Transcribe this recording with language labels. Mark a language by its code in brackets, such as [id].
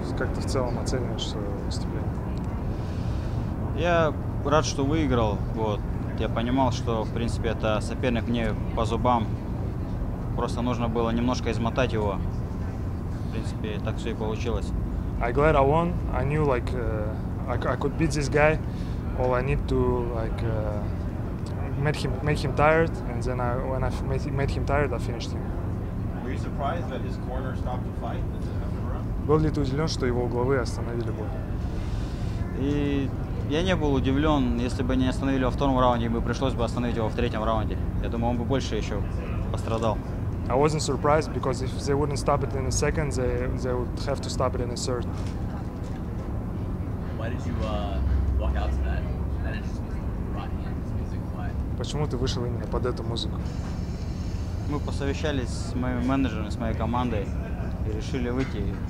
[ru] Как ты в целом оцениваешь свое выступление? Я рад, что выиграл. Вот. Я понимал, что в принципе это соперник мне по зубам. Просто нужно было немножко измотать его. В принципе, так все и получилось. [en] I'm glad I won. I knew like I could beat this guy. All I need to like make him tired, and then when I made him tired, I finished him. Were you surprised that his corner stopped the fight? [ru] Был ли ты удивлен, что его угловые остановили бой? И я не был удивлен, если бы не остановили во втором раунде, ему пришлось бы остановить его в третьем раунде. Я думаю, он бы больше еще пострадал. [en] I wasn't surprised because if they wouldn't stop it in a second, they would have to stop it in a third. Why did you walk out to that interesting rock music? [ru] Почему ты вышел именно под эту музыку? Мы посовещались с моим менеджером, с моей командой и решили выйти.